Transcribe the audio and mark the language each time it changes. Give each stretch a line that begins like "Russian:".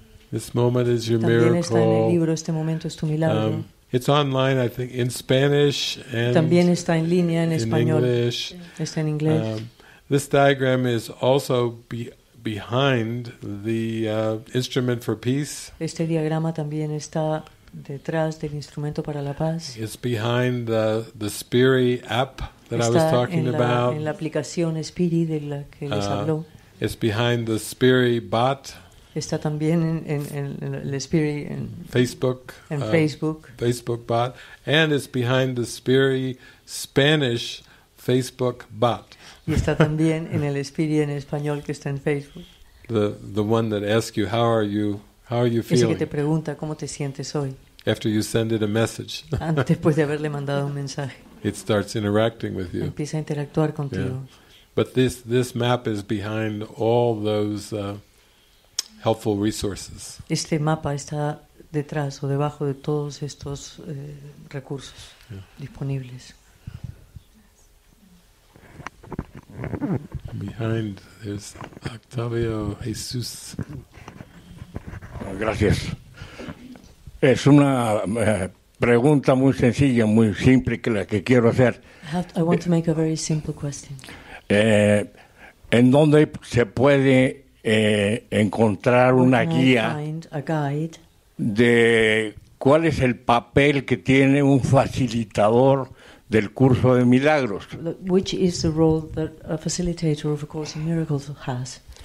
English: This moment is your
Spanish: también
English: miracle.
Spanish: También está en el libro. Este momento es tu milagro.
English: It's online, I think, in Spanish and
Spanish: también está en línea en
English: in
Spanish: español.
English: English.
Spanish: Está en inglés.
English: This diagram is also behind the instrument for peace.
Spanish: Este diagrama también está detrás del instrumento para la paz.
English: It's behind the Spirit app that
Spanish: está
English: I was talking
Spanish: en la,
English: about.
Spanish: En la aplicación Spirit de la que les habló.
English: It's behind the Spirit bot.
Spanish: Está también en el Spirit en
English: Facebook.
Spanish: En Facebook.
English: Facebook bot. And it's behind the Spirit Spanish Facebook bot.
Spanish: Y está también en el Spirit en español que está en Facebook.
English: The one that asks you, how are you? How are you feeling?
Spanish: Ese que te pregunta cómo te sientes hoy.
English: After you send it a message.
Spanish: Después de haberle mandado un mensaje.
English: It starts interacting with you.
Spanish: Empieza a interactuar contigo. Yeah.
English: But this map is behind all those helpful resources.
Spanish: Este mapa está detrás o debajo de todos estos recursos disponibles.
English: Behind there's Octavio Jesus.
Spanish: Gracias. Es una pregunta muy sencilla, muy simple que la que quiero hacer.
English: I want to make a very simple question.
Spanish: ¿En dónde se puede encontrar una guía de cuál es el papel que tiene un facilitador del curso de milagros?
English: Which is the role that a facilitator of a course in miracles has?